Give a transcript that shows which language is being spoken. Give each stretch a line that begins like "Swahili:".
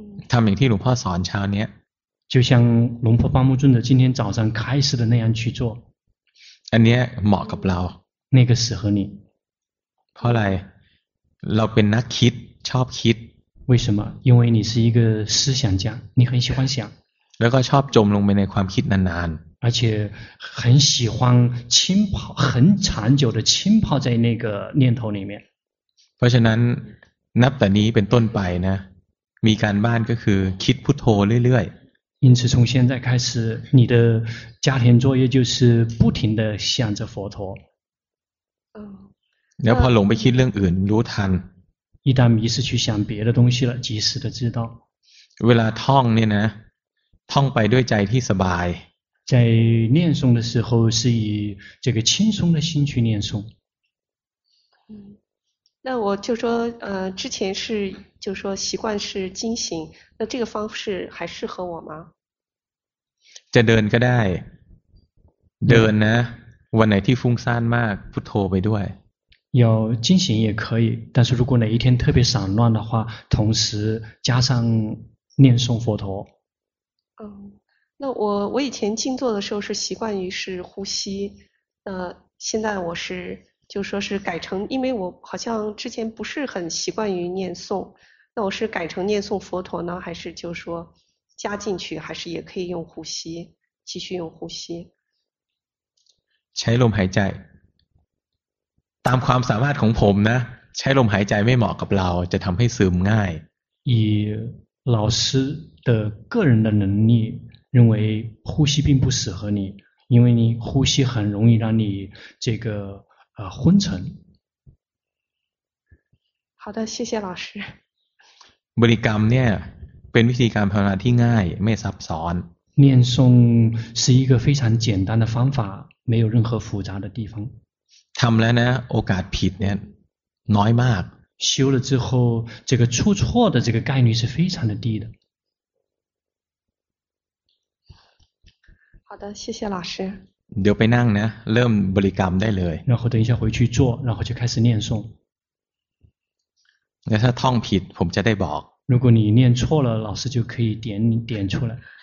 Thai: ทำอย่างที่หลวงพ่อสอนเช้านี้
Chinese: 就像龙婆巴木尊的今天早上开始的那样去做
Thai: อันนี้เหมาะกับเรา
Chinese: 那个适合你
Thai: เพราะอะไรเราเป็นนักคิดชอบคิด
Chinese: 为什么因为你是一个思想家你很喜欢想
Thai: แล้วก็ชอบจมลงไปในความคิดนาน
Chinese: ๆ而且很喜欢浸泡很长久的浸泡在那个念头里面
Thai: เพราะฉะนั้นนับแต่นี้เป็นต้นไปนะมีการบ้านก็คือคิดพุทโธเรื่อย
Chinese: ๆ因此从现在开始你的家庭作业就是不停的想着佛陀
Thai: แล้วพอหลงไปคิดเรื่องอื่นรู้ทัน
Chinese: 一旦迷失去想别的东西了及时的知道 เวลาท่องเนี่ยนะท่องไปด้วยใจที่สบาย 在念诵的时候是以这个轻松的心去念诵那我就说之前是就说习惯是精行那这个方式还适合我吗
Thai: จะเดินก็ได้เดินนะวันไหนที่ฟุ้งซ่านมากพุทโธไปด้วย
Chinese: 有进行也可以，但是如果哪一天特别散乱的话，同时加上念诵佛陀。那我以前静坐的时候是习惯于是呼吸，现在我是就说是改成，因为我好像之前不是很习惯于念诵，那我是改成念诵佛陀呢，还是就说加进去，还是也可以用呼吸，继续用呼吸？
Thai: ใช้ลมหายใจตามความสามารถของผมนะใช้ลมหายใจไม่เหมาะกับเราจะทำให้ซึมง่าย
Chinese: 以老师的个人的能力认为呼吸并不适合你，因为你呼吸很容易让你这个昏沉。好的，谢谢老师。
Thai: บริกรรมเนี่ยเป็นวิธีการภาวนาที่ง่ายไม่ซับซ้อน
Chinese: 念诵是一个非常简单的方法，没有任何复杂的地方。
Thai: ทำแล้วนะโอกาสผิดเนี่ยน้อยมาก
Chinese: 修了之后这个出错的这个概率是非常的低的。好的，谢谢老师。
Thai: เดี๋ยวไปนั่งนะเริ่มบริกรรมได้เลย
Chinese: 然后等一下回去做然后就开始念诵
Thai: แล้วถ้าท่องผิดผมจะได้บอก
Chinese: 如果你念错了老师就可以点出来